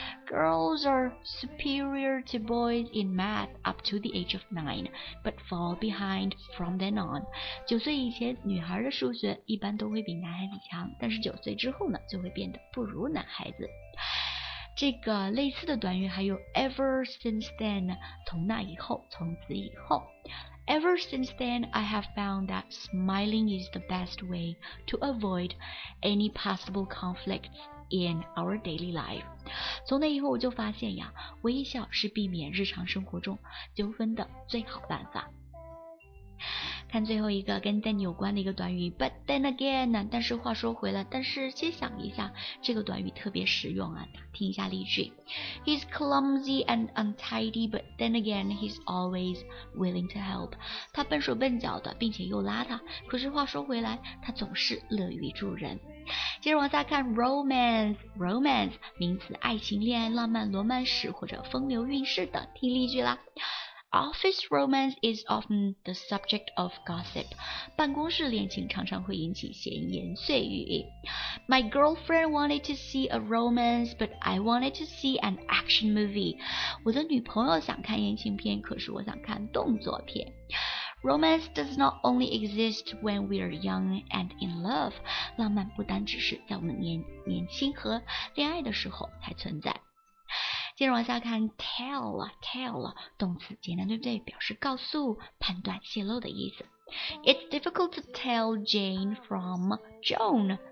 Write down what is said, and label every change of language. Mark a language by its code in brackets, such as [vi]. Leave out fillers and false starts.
[en] Girls are superior to boys in math up to the age of 9， but fall behind from then on。 [zh] 九岁以前女孩的数学一般都会比男孩子强，但是九岁之后呢就会变得不如男孩子。这个类似的短语还有 [en] ever since then， [zh] 从那以后，从此以后。 [en] Ever since then, I have found that smiling is the best way to avoid any possible conflicts in our daily life. [zh] 从那以后我就发现呀，微笑是避免日常生活中纠纷的最好办法。看最后一个跟 then 有关的一个短语 [en] but then again [zh] 呢，但是话说回来，但是先想一下这个短语特别实用啊，听一下例句。 [en] He's clumsy and untidy but then again he's always willing to help. [zh] 他笨手笨脚的并且又邋遢，可是话说回来他总是乐于助人。接着往下看 romance 名词，爱情、恋爱、浪漫、罗曼史或者风流韵事等，听例句啦。 [en] Office romance is often the subject of gossip. [zh] 办公室恋情常常会引起闲言碎语。 [en] My girlfriend wanted to see a romance, but I wanted to see an action movie. [zh] 我的女朋友想看言情片，可是我想看动作片。 [en] Romance does not only exist when we are young and in love. [zh] 浪漫不单只是在我们年轻和恋爱的时候才存在。接着往下看 tell 动词简单对不对，表示告诉判断泄露的意思。 [en] It's difficult to tell Jane from Joan.